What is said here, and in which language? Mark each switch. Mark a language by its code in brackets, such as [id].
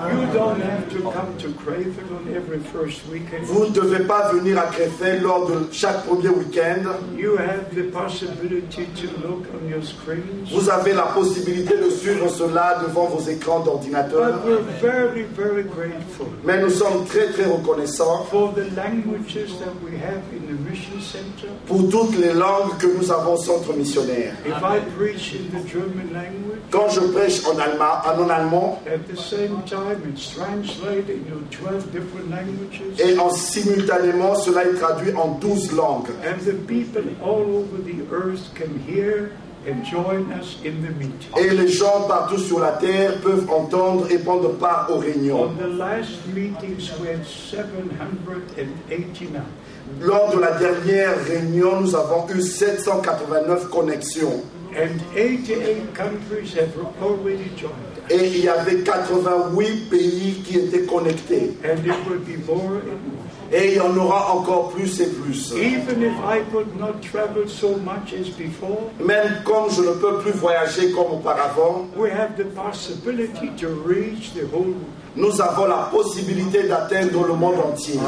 [en] You don't have to come to Crefeld on every first weekend. [fr] Vous ne devez pas venir à Crefeld lors de chaque premier week-end. [en] You have the possibility to look on your screens. [fr] Vous avez la possibilité de suivre cela devant vos écrans d'ordinateur. [en] But we're very, very grateful. [fr] Mais nous sommes très, très reconnaissants [en] for the languages that we have in the mission center. [fr] Pour toutes les langues que nous avons au centre missionnaire. [en] If I preach in the German language, [fr] quand je prêche en allemand, [en] at the same time, it's translated into 12 different languages. [fr] Et en simultanément, cela est traduit en 12 langues. [en] And the people all over the earth can hear and join us in the meeting. [fr] Et les gens partout sur la terre peuvent entendre et prendre part aux réunions. [en] On the last meetings, we had 789. [fr] Lors de la dernière réunion, nous avons eu 789 connexions. [en] And 88 countries have already joined. [fr] Et il y avait 88 pays qui étaient connectés. [en] And it will be more and more. [fr] Et il y en aura encore plus et plus. [en] Even if I could not travel so much as before, [fr] même comme je ne peux plus voyager comme auparavant, [en] we have the possibility to reach the whole world. [fr] Nous avons la possibilité d'atteindre le monde entier.